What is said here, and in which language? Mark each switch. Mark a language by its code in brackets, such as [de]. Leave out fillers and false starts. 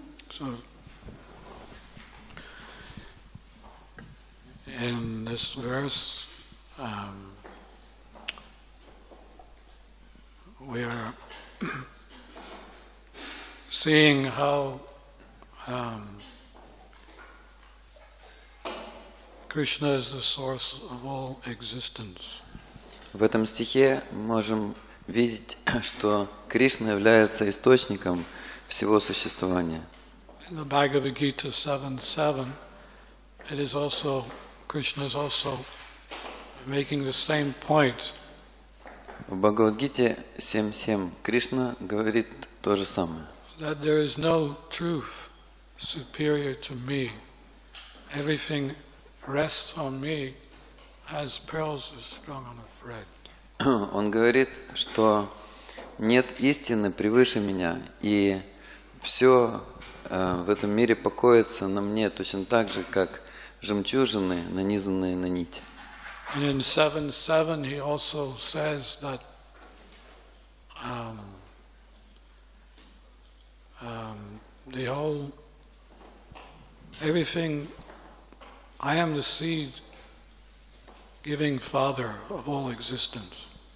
[en] So, in this verse, we are seeing how Krishna is the source of all existence. [ru] В этом стихе можем видеть, что Кришна является источником всего существования. [en] In the Bhagavad Gita 7.7, it is also, Krishna is also making the same point. [ru] В Бхагавад-гите 7.7 Кришна говорит то же самое. [en] That there is no truth superior to me. Everything rests on me as pearls are strung on a thread. [ru] Он говорит, что нет истины превыше меня, и все в этом мире покоится на мне точно так же, как жемчужины, нанизанные на нить. [en] In 7.7 he also says that the whole everything I am the seed giving father of all existence.